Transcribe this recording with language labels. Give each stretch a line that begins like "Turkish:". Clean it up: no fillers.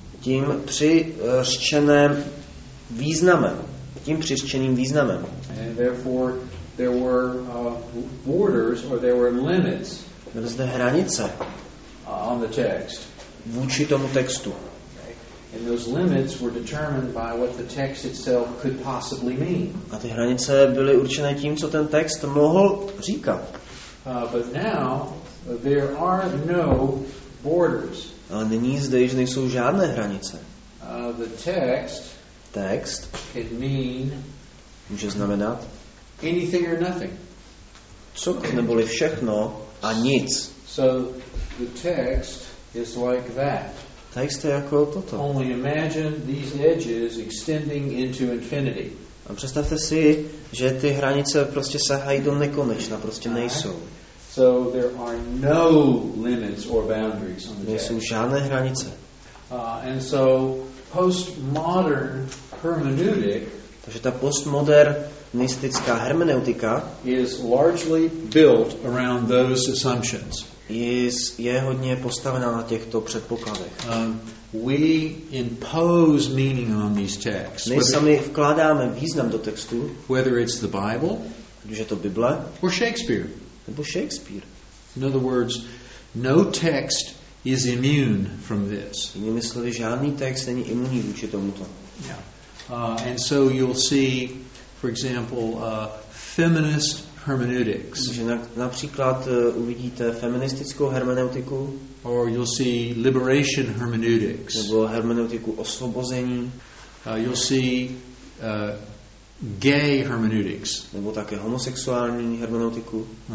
Czech: tím přiřčeném významem, tím přiřčeným významem.
English: And therefore there were borders or there were limits.
Czech: Byly zde hranice.
English: On the text.
Czech: Vůči tomu textu.
English: And those limits were determined by what the text itself could possibly mean.
Czech: A ty hranice byly určené tím, co ten text mohl říkat.
English: But now there are no borders.
Czech: Ale nyní zde již nejsou žádné hranice.
English: The text.
Czech: Text.
English: Can mean.
Czech: Může znamenat.
English: Anything or nothing.
Czech: Co neboli všechno a nic.
English: So the text is like that.
Czech: Text je jako toto.
English: Only imagine these edges extending into infinity.
Czech: A představte si, že ty hranice prostě sahají do nekonečna, prostě nejsou.
English: So there are no limits or boundaries on the
Czech: jet. Nejsou žádné hranice.
English: And so postmodern hermeneutic,
Czech: takže ta postmodernistická hermeneutika
English: is largely built around those assumptions.
Czech: Je hodně postavená na těchto předpokladech.
English: We impose meaning on these texts.
Czech: My sami vkládáme význam do textu,
English: whether it's the Bible,
Czech: že to Bible,
English: or Shakespeare,
Czech: nebo Shakespeare.
English: In other words, no text is immune from this.
Czech: Jinými slovy, žádný text není imunní vůči tomuto.
English: And so you'll see, for example, feminist hermeneutics.
Czech: Že například uvidíte feministickou hermeneutiku.
English: Or you'll see liberation hermeneutics.
Czech: Nebo hermeneutiku osvobození.
English: You'll see gay hermeneutics.
Czech: Nebo také homosexuální hermeneutiku.